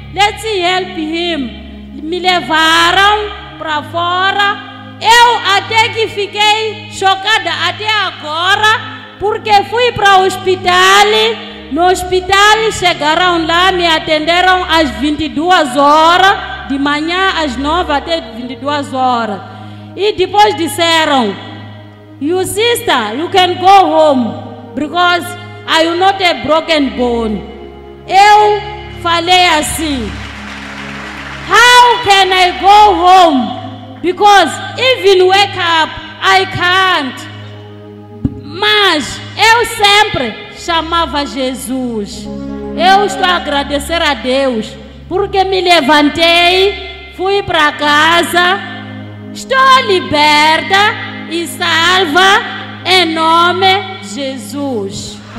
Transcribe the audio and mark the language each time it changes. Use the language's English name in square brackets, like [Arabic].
[English] Let's help him. [Portuguese] Me levaram para fora. Eu até que fiquei chocada até agora, porque fui para o hospital. No hospital chegaram lá, me atenderam às 22 horas, de manhã às 9 até 22 horas. E depois disseram, [English] "You sister, you can go home, because I am not a broken bone." [Portuguese] Eu falei assim, [English] how can I go home? Because even wake up, I can't. [Portuguese] Mas eu sempre chamava Jesus. Eu estou a agradecer a Deus porque me levantei, fui para casa, estou liberta e salva em nome de Jesus.